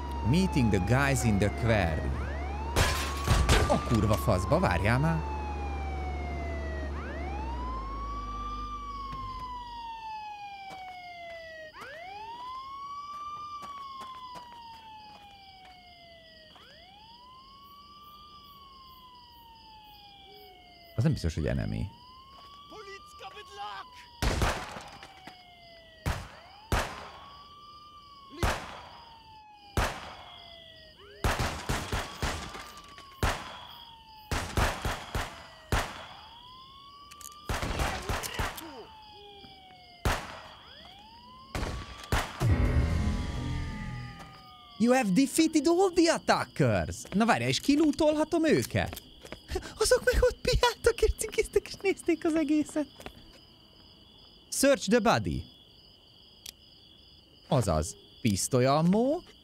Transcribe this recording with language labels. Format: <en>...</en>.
<en>Meeting the guys in the quarry.</en> <hu>A kurva faszba, várjál már! Az nem biztos, hogy enemy.</hu> <en>You have defeated all the attackers!</en> <hu>Na várjál, és kilútolhatom őket? Azok meg ott piáltak, és cikiztek, és nézték az egészet.</hu> <en>Search the body.</en> <hu>Azaz, pisztoly ammo.</hu>